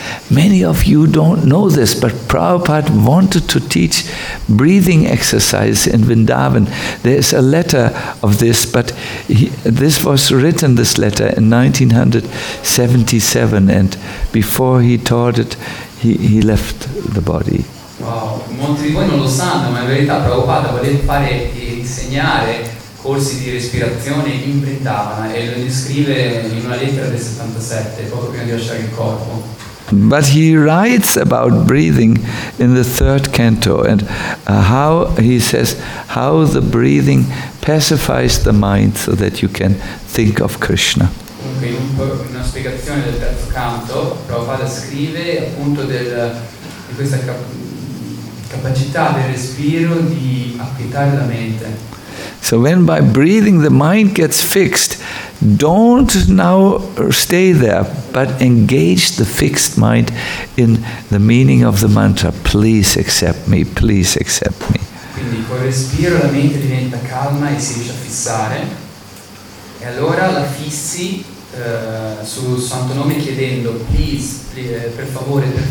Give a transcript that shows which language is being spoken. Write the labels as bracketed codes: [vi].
[en] Many of you don't know this, but Prabhupada wanted to teach breathing exercise in Vrindavan. There is a letter of this, but this was written, this letter, in 1977, and before he taught it, he left the body. [it] Wow, molti di voi non lo sanno, ma in verità Prabhupada voleva fare insegnare corsi di respirazione in Vrindavana e lo descrive in una lettera del 77 proprio prima di lasciare il corpo. [en] But he writes about breathing in the third canto and how he says how the breathing pacifies the mind so that you can think of Krishna. [it] Comunque in una spiegazione del terzo canto Prabhupada scrive appunto di questa capacità del respiro di acquietare la mente. [en] So when by breathing the mind gets fixed, don't now stay there, but engage the fixed mind in the meaning of the mantra. Please accept me, please accept me. [it] Quindi col respiro la mente diventa calma e si riesce a fissare. E allora la fissi sul santo nome chiedendo please, per favore,